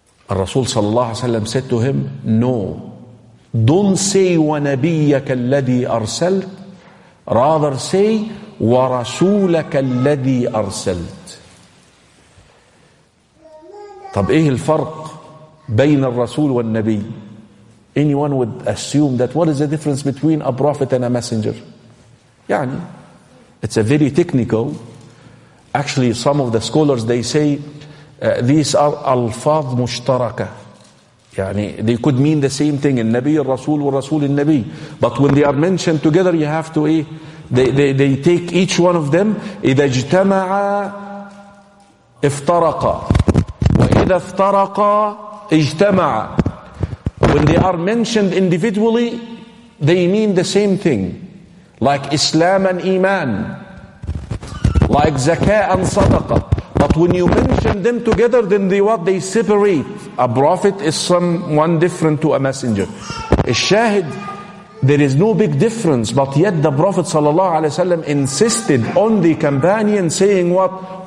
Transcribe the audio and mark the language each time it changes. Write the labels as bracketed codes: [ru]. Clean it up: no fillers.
[ar] الرسول صلى الله عليه وسلم [en] said to him, no, don't say [ar] وَنَبِيَّكَ الَّذِي أَرْسَلْتَ, [en] rather say [ar] وَرَسُولَكَ الَّذِي أَرْسَلْتَ. طب ايه الفرق بين الرسول والنبي؟ [en] Anyone would assume that what is the difference between a prophet and a messenger? يعني, it's a very technical. Actually, some of the scholars, they say these are alfaz mushtaraka. يعني, they could mean the same thing, [ar] النبي الرسول والرسول النبي. [en] But when they are mentioned together, you have to, they take each one of them. [ar] إذا اجتمع افترق, وإذا افترق اجتمع. [en] When they are mentioned individually, they mean the same thing. Like Islam and Iman. Like Zakah and Sadaqah. But when you mention them together, then they what? They separate. A prophet is someone different to a messenger. A shahid, there is no big difference, but yet the Prophet sallallahu alaihi wasallam insisted on the companion saying what?